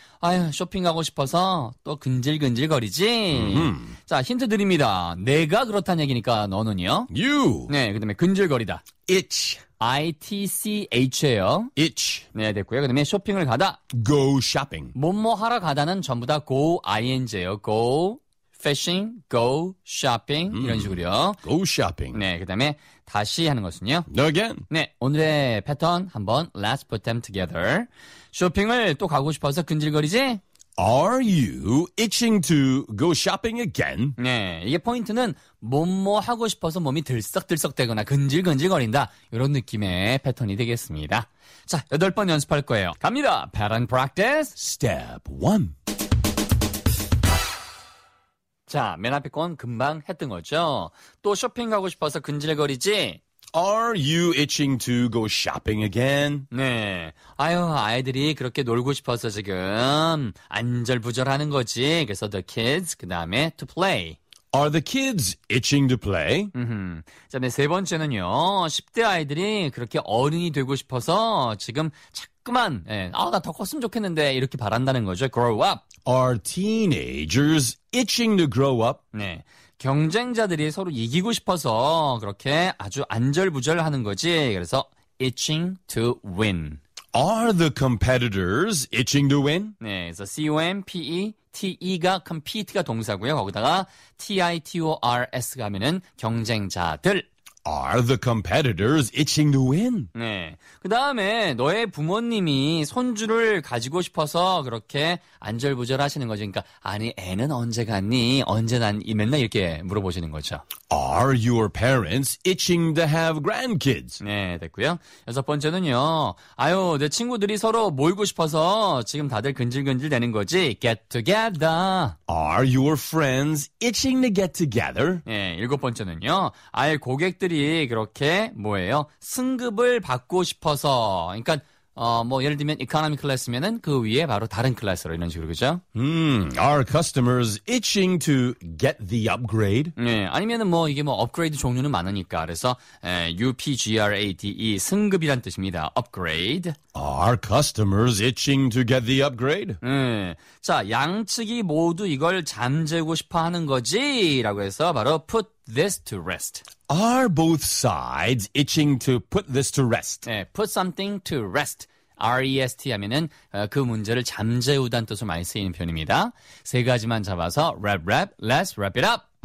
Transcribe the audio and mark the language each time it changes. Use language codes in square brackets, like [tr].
[ko] 아유, 쇼핑 가고 싶어서 또 근질근질 거리지? 자, 힌트 드립니다. 내가 그렇다는 얘기니까 너는요. [en] You. [ko] 네, 그 다음에 근질거리다. [en] Itch. I-T-C-H예요. Itch. [ko] 네, 됐고요. 그 다음에 쇼핑을 가다. [en] Go shopping. [ko] 뭐뭐 하러 가다는 전부 다 [en] go ing [ko] 예요. [en] Go fishing, go shopping [ko] 이런 식으로요. [en] Go shopping. [ko] 네, 그다음에 다시 하는 것은요. [en] Again. [ko] 네, 오늘의 패턴 한번 [en] let's put them together. [ko] 쇼핑을 또 가고 싶어서 근질거리지? [en] Are you itching to go shopping again? [ko] 네, 이게 포인트는 뭐뭐 하고 싶어서 몸이 들썩들썩대거나 근질근질거린다 이런 느낌의 패턴이 되겠습니다. 자, 여덟 번 연습할 거예요. 갑니다. [en] Pattern practice. Step one. [ko] 자, 맨 앞에 건 금방 했던 거죠. 또 쇼핑 가고 싶어서 근질거리지? [en] Are you itching to go shopping again? [ko] 네. 아유, 아이들이 그렇게 놀고 싶어서 지금 안절부절하는 거지. 그래서 [en] the kids, [ko] 그 다음에 [en] to play. Are the kids itching to play? [ko] 자, 네, 세 번째는요. 10대 아이들이 그렇게 어른이 되고 싶어서 지금 자꾸만 예, 아, 나 더 컸으면 좋겠는데 이렇게 바란다는 거죠. [en] Grow up. Are teenagers itching to grow up? [ko] 네, 경쟁자들이 서로 이기고 싶어서 그렇게 아주 안절부절하는 거지. 그래서 [en] itching to win. Are the competitors itching to win? [ko] 네, 그래서 C-O-M-P-E-T-E가 compete가 동사고요. 거기다가 T-I-T-O-R-S가 하면은 경쟁자들. [en] Are the competitors itching to win? [ko] 네, 그 다음에 너의 부모님이 손주를 가지고 싶어서 그렇게 안절부절하시는 거죠. 그러니까 아니 애는 언제 갔니? 언제 난이 맨날 이렇게 물어보시는 거죠. [en] Are your parents itching to have grandkids? [ko] 네, 됐고요. 여섯 번째는요. 아유, 내 친구들이 서로 모이고 싶어서 지금 다들 근질근질 되는 거지. [en] Get together. Are your friends itching to get together? [ko] 네, 일곱 번째는요. 아예 고객 들이 그렇게 뭐예요? 승급을 받고 싶어서. 그러니까 뭐 예를 들면 이코노미 클래스면은 그 위에 바로 다른 클래스로 이런 식으로 그죠? [en] Are customers itching to get the upgrade? [ko] 네, 아니면은 뭐 이게 뭐 업그레이드 종류는 많으니까 그래서 UPGRADE 승급이란 뜻입니다. [en] Upgrade. Are customers itching to get the upgrade? [ko] 네. 자, 양측이 모두 이걸 잠재우고 싶어 하는 거지라고 해서 바로 [en] put this to rest. Are both sides itching to put this to rest? [ko] 네, [en] put something to rest. [ko] R-E-S-T 하면은 그 문제를 잠재우다는 뜻으로 많이 쓰이는 표현입니다. 세 가지만 잡아서 랩 랩, [en] let's wrap it up!